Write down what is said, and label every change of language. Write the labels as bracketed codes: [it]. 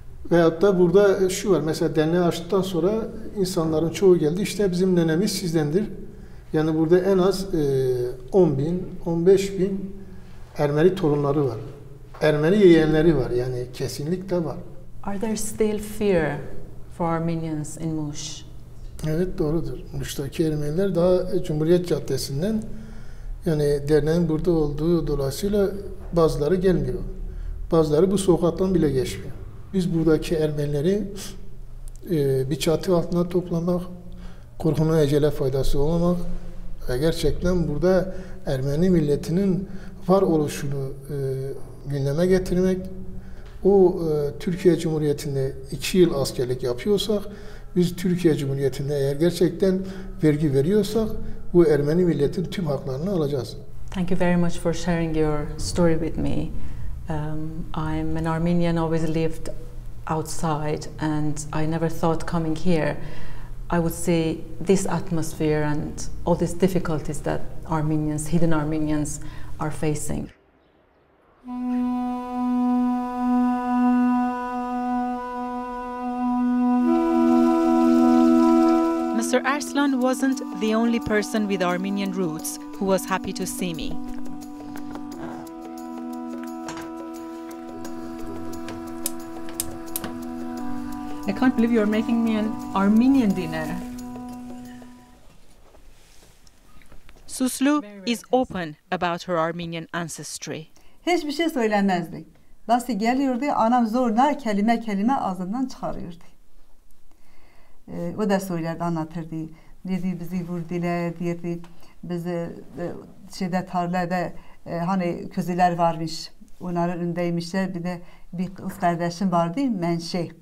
[tr] Veyahut da burada şu var, mesela derneği açtıktan sonra insanların çoğu geldi, işte bizim nenemiz sizdendir. Yani burada en az 10 bin, 15 bin Ermeni torunları var. Ermeni yeğenleri var, yani kesinlikle var. [en] Are there still fear for Armenians in Mush? Evet, doğrudur. Mush'taki Ermeniler daha Cumhuriyet Caddesi'nden, yani derneğin burada olduğu dolayısıyla bazıları gelmiyor. Bazıları bu sokaktan bile geçmiyor. Biz buradaki Ermenileri bir çatı altında toplamak, korkunun ecele faydası olmamak ve gerçekten burada Ermeni milletinin varoluşunu gündeme getirmek, o Türkiye Cumhuriyeti'nde 2 yıl askerlik yapıyorsak, biz Türkiye Cumhuriyeti'nde eğer gerçekten vergi veriyorsak, bu Ermeni milletin tüm haklarını alacağız. Thank you very much for sharing your story with me. I'm an Armenian, always lived outside, and I never thought coming here I would see this atmosphere and all these difficulties that Armenians, hidden Armenians, are facing. Mr. Arslan wasn't the only person with Armenian roots who was happy to see me. I can't believe you're making me an Armenian dinner. Suslu is open about her Armenian ancestry. [tr] Hiçbir şey söylemezdi. Nasıl geliyordu, anam zorla kelime kelime ağzından çıkarıyordu. O da söylerdi, anlatırdı. Dedi, bizi vurdular, dedi. Bizi şeyde, tarlada hani közüler varmış. Onların önündeymişler. Bir de bir kız kardeşim vardı, Menşe.